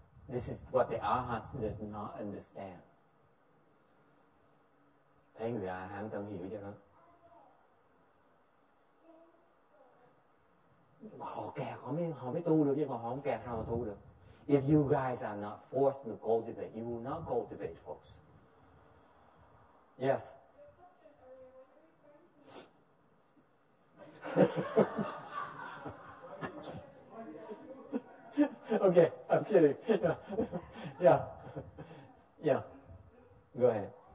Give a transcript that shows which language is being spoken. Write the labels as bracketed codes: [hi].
[en] This is what the Arhats does not understand. [vi] Thấy người Arhats không hiểu cho nó. Họ kẹt, họ mới tu được, chứ còn họ không kẹt, họ tu được. [en] If you guys are not forced to cultivate, you will not cultivate, folks. Yes. Okay, I'm kidding. Yeah. Yeah. Yeah. Go ahead.